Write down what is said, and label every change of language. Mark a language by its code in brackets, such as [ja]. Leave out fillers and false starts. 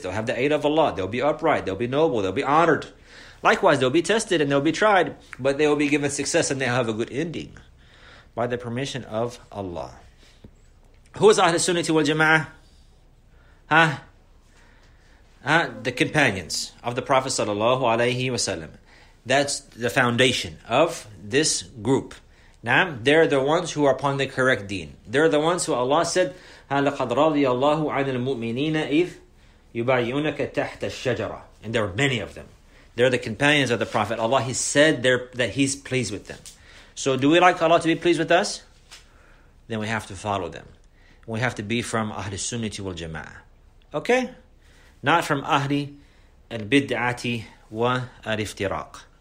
[en] They'll have the aid of Allah. They'll be upright. They'll be noble. They'll be honored. Likewise, they'll be tested and they'll be tried, but they will be given success and they'll have a good ending by the permission of Allah. Who is Ahl Sunnah wal Jama'ah? The companions of the Prophet sallallahu alaihi wasallam. That's the foundation of this group. Now, they're the ones who are upon the correct deen. They're the ones who Allah said, [ar] لَقَدْ رَضِيَ اللَّهُ عَنِ الْمُؤْمِنِينَ إِذْ يُبَعْيُونَكَ تَحْتَ الشَّجَرَةِ. [en] And there are many of them. They're the companions of the Prophet. Allah, He said that He's pleased with them. So do we like Allah to be pleased with us? Then we have to follow them. We have to be from Ahl Sunnah wal Jama'ah. Okay? Not from Ahli al-Bid'ati wa al-Iftiraq.